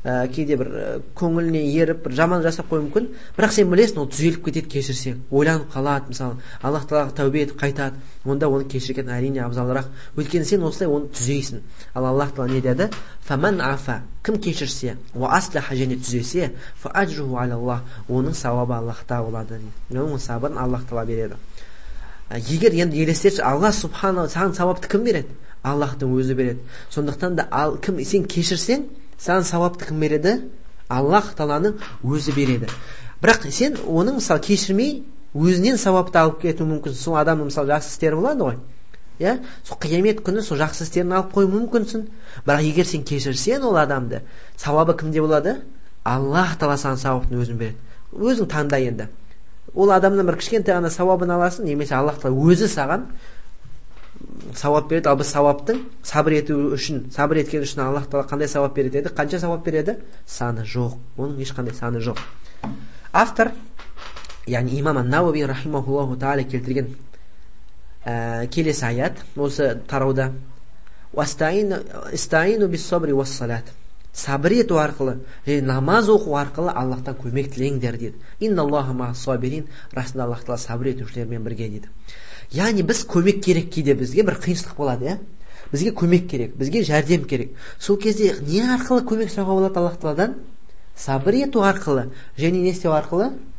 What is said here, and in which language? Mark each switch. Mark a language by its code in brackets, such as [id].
[kk] кейде бір көңіліне еріп бір жаман жасап қоюы мүмкін, бірақ сен білесің, ол түзеліп кетеді кешірсең, ойланып қалады, мысалы Аллах Тағалаға тәубе етіп қайтады, онда оны кешірген әрине абзалырақ, өйткені сен осылай оны түзейсің. Ал Аллах Тағала не деді? [ar] Фаман афа, [kk] кім кешірсе, [ar] ва асляха, [kk] және түзесе. берсе, [ar] фа аджруху аля Аллах, [kk] оның сауабы Аллахта болады дейді. Оның сауабын Аллах тала береді. Егер енді елестерші, Аллах субхана саған сауапты кім береді? Аллахтың өзі береді. Сондықтан да ал кім сен кешірсең, саған сауапты кім береді? Аллах таланың өзі береді. Бірақ сен оның мысалы кешірмей, өзінен сауапты алып кетуің мүмкін. Сол адамның мысалы жақсы істері болады ғой. Иә? Сол қиямет күні сол жақсы істерін алып қою мүмкінсің. Бірақ егер сен кешірсең ол адамды, сауабы кімде болады? Аллах тала саған сауаптың өзін береді. Өзің таңда енді. Ол адамнан бір кішкентай ғана сауабын аласың, немесе Аллах тала өзі саған сауап береді. Ал біз сауаптың сабыр ету үшін, сабыр еткен үшін Аллах тала қандай сауап береді деді? Қанша сауап береді? Саны жоқ. Оның ешқандай саны жоқ. Автор, яғни Имам ан-Науви рахимахуллаху тааля келтірген келесі аят осы тарауда. [ar] Уастаину бис-сабри вас-салат. [kk] Сабыр ету арқылы, және намаз оқу арқылы Аллахтан көмек тілеңдер дейді. [ar] Инналлаха мас-сабирин, [kk] расында Аллах тала сабыр етушілермен бірге дейді. Яғни біз көмек керек кейде бізге бір қиыншылық болады, иә? Бізге көмек керек, бізге жәрдем керек. Сол кезде не арқылы көмек сұрауға болады Аллах таладан? Сабыр ету арқылы, және не істеу арқылы?